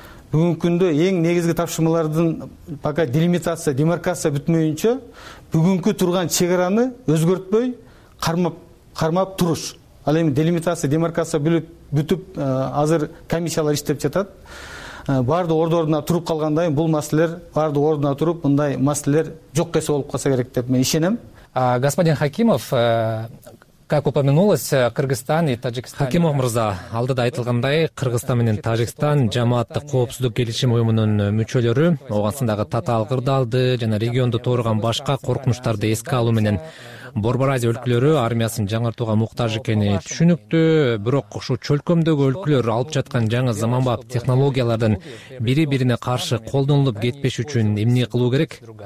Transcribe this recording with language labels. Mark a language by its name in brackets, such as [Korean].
[Kyrgyz] Бүгүнкү күндө эң негизги тапшырмалардын пока делимитация, демаркация бүтмөйүнчө бүгүнкү турган чек араны өзгөртпөй кармап туруш. Ал эми делимитация, демаркация бүтүп, азыр комиссиялар иштеп жатат. Баардык ордуна туруп калгандан кийин бул маселелер, баардык ордуна туруп, мындай маселелер жок кесе болуп калса керек деп мен ишенем. [Russian] Господин Хакимов, Как упомянулось, Кыргызстан и Таджикстан. [Kyrgyz] Хакимов мырза, алдыда айтылгандай, Кыргызстан менен Таджикстан жамааттык коопсуздук келишим уюмунун мүчөлөрү оогансындагы татаал кырдаалды жана регионду тоорган башка коркунучтарды эске алуу менен Борбор Азия өлкөлөрү армиясын жаңыртууга муктаж экени түшүнүктүү, бирок ушул чөлкөмдөгү өлкөлөр алып жаткан жаңы заманбап технологиялардын бири бирине каршы колдонулуп кетпеш үчүн эмне кылуу керек?